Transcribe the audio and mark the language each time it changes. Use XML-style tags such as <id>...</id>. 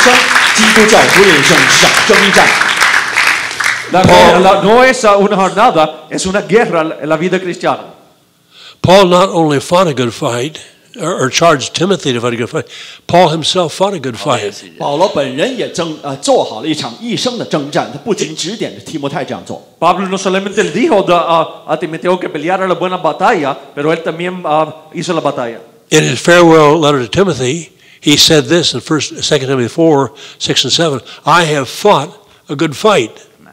<zh>并非一个征战，但他们错。按照圣经来讲，人生基督教徒人生是场征战。</zh> <en>Paul not only fought a good fight, or charged Timothy to fight a good fight, Paul himself fought a good fight.</en> <zh>Paul 本人也做好了一场一生的征战，他不仅指点着提摩太这样做。</zh> <es>Pablo no solamente le dijo a Timoteo que peleara la buena batalla, pero él también hizo la batalla.</es> <en>In his farewell letter to Timothy, he said this in 2 Timothy 4, 6 and 7, I have fought a good fight.</en>